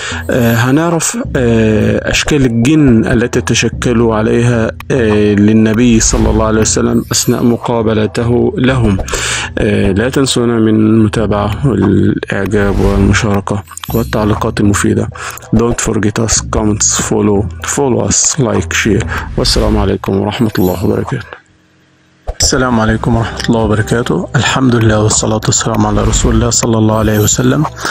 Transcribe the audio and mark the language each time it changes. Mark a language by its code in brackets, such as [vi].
[ar] هنعرف أشكال الجن التي تشكلوا عليها للنبي صلى الله عليه وسلم أثناء مقابلته لهم. لا تنسونا من متابعة والإعجاب والمشاركة والتعليقات المفيدة. [en] Don't forget us, comments, follow us, like, share. [ar] والسلام عليكم ورحمة الله وبركاته. السلام عليكم ورحمة الله وبركاته. الحمد لله والصلاة والسلام على رسول الله صلى الله عليه وسلم.